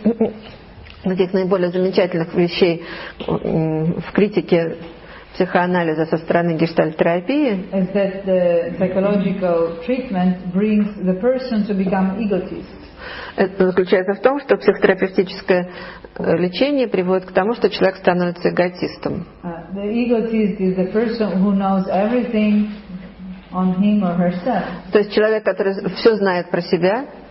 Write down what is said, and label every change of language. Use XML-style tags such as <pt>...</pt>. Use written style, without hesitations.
<ru>И одна из наиболее замечательных вещей в критике психоанализа со стороны гештальт-терапии.</ru> <en>Is that the psychological treatment brings the person to become egotist?</en> <ru>Это заключается в том, что психотерапевтическое лечение приводит к тому, что человек становится эгоистом.</ru> <en>The egotist is the person who knows everything, on him or herself.</en> <ru>То есть человек, который все знает про себя,</ru>